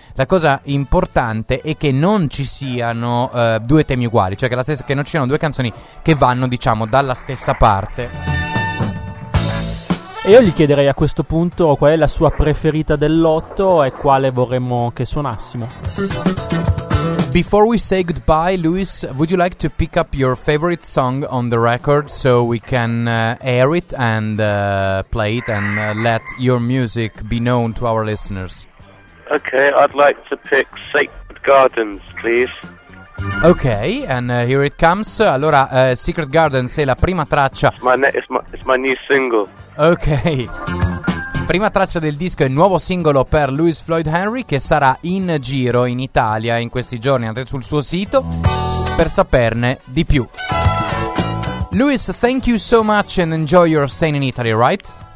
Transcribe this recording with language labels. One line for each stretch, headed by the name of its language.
Italian: La cosa importante è che non ci siano due temi uguali, cioè che non ci siano due canzoni che vanno, diciamo, dalla stessa parte. E io gli chiederei a questo punto qual è la sua preferita del lotto e quale vorremmo che suonassimo.
English: Before we say goodbye, Lewis, would you like to pick up your favorite song on the record so we can air it and play it and let your music be known to our listeners? Okay, I'd like to pick Sacred Gardens, please. Ok, and here it comes.
Italian: Allora, Secret Gardens è la prima traccia.
English: It's my new single. Ok.
Italian: Prima traccia del disco e nuovo singolo per Lewis Floyd Henry, che sarà in giro in Italia in questi giorni. Andate sul suo sito per saperne di più.
English: Lewis, thank you so much and enjoy your stay in Italy, right?